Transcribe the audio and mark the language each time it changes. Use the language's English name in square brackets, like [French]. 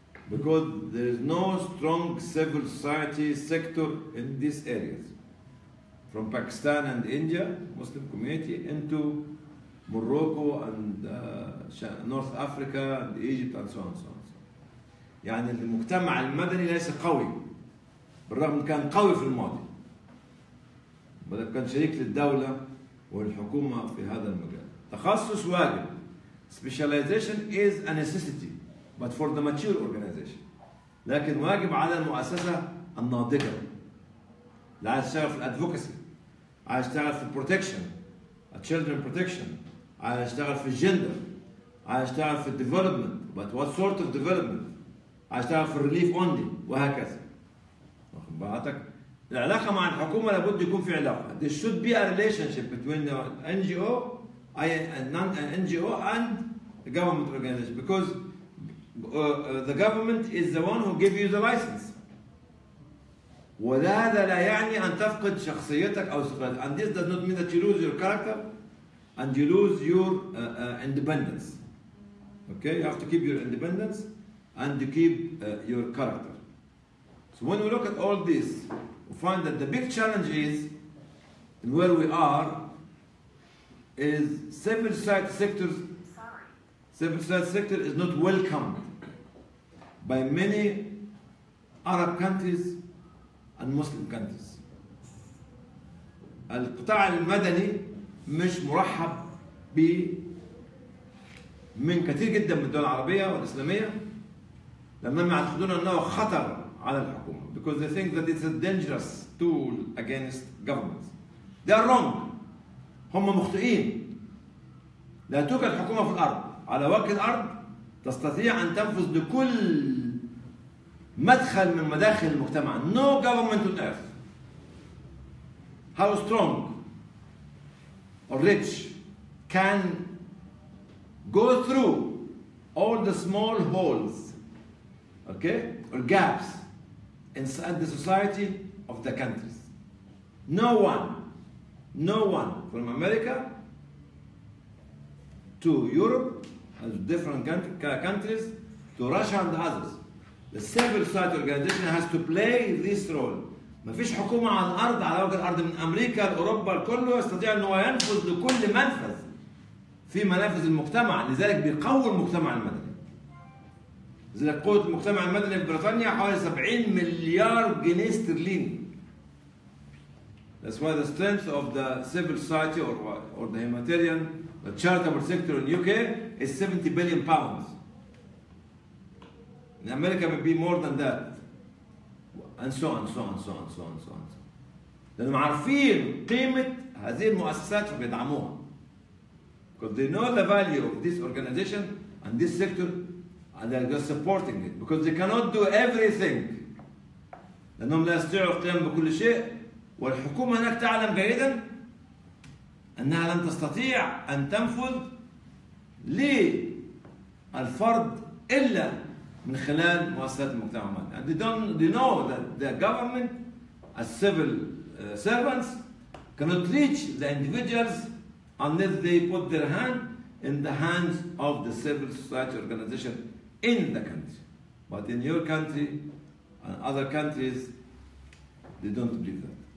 [English] Because there is no strong civil society sector in these areas. From Pakistan and India, Muslim community, into Morocco and North Africa and Egypt and so on and so on. [Arabic] يعني المجتمع المدني ليس قوي بالرغم كان قوي في الماضي بلد كان شريك للدولة والحكومة في هذا المجال. تخصص واجب. [English] Specialization is a necessity but for the mature organization. [Arabic] لكن واجب على المؤسسة الناضجة. لا عايز تشتغل في الادفوكسي عايز تشتغل في البروتكشن children protection عايز تشتغل في الجندر عايز تشتغل في الديفلوبمنت but what sort of development عايز تشتغل في الريليف اونلي وهكذا. واخد بالك العلاقه مع الحكومه لابد يكون في علاقه. [English] There should be a relationship between the NGO and NGO and the government organization because the government is the one who gives you the license. [Arabic] وهذا لا يعني ان تفقد شخصيتك او ثقتك. [English] And this does not mean that you lose your character and you lose your independence. Okay, you have to keep your independence and to keep your character. So when we look at all this, we find that the big challenge is, in where we are, is civil society sectors. Civil society sector is not welcomed by many Arab countries and Muslim countries. [Arabic] القطاع المدني مش مرحب ب من كثير جدا من الدول العربية والإسلامية لأنهم يعتقدون أنه خطر على الحكومة because they think that it's a dangerous tool against governments. They are wrong. هم مخطئين. لا توجد الحكومة في الأرض على وجه الأرض تستطيع أن تنفذ لكل مدخل من مداخل المجتمع. [English] No government on earth. How strong or rich can go through all the small holes, okay, or gaps inside the society of the countries? No one, no one from America to Europe has different countries to Russia and others. The civil society organization has to play this role. [Arabic] ما فيش حكومة على الأرض على وجه الأرض من أمريكا لأوروبا كله يستطيع أن ينفذ لكل منفذ في منافذ المجتمع لذلك بيقوي المجتمع المدني لذلك قوة المجتمع المدني في بريطانيا حوالي 70 مليار جنيه استرليني. [English] That's why the strength of the civil society or the humanitarian the charitable sector in UK is 70 billion pounds. In America may be more than that. And so on, so on, so on, so on, so on. [Arabic] لأنهم عارفين قيمة هذه المؤسسات وبيدعموها. [English] Because they know the value of this organization and this sector, and they're just supporting it. Because they cannot do everything. [Arabic] لأنهم لا يستطيعوا القيام بكل شيء. والحكومة هناك تعلم جيدا أنها لن تستطيع أن تنفذ للفرد إلا من خلال مؤسسات المجتمع المدني. [English] And they know that the government, as civil servants, cannot reach the individuals unless they put their hand in the hands of the civil society organization in the country. But in your country and other countries, they don't believe that.